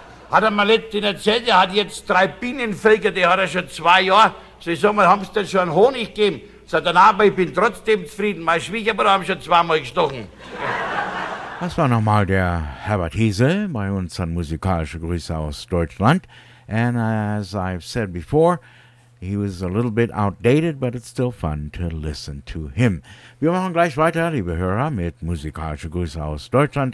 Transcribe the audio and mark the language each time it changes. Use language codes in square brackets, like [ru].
[de] Hat er mir letztens erzählt, er hat jetzt 3 Bienenvölker, die hat er schon 2 Jahre. So, ich sag mal, haben sie denn schon Honig gegeben? Sagt er, aber ich bin trotzdem zufrieden. Meine Schwiegerbrüder haben schon 2 Mal gestochen. Das war nochmal der Herbert Hiese bei uns an musikalische Grüße aus Deutschland. [en] And as I've said before, he was a little bit outdated, but it's still fun to listen to him. [de] Wir machen gleich weiter, liebe Hörer, mit musikalische Grüße aus Deutschland.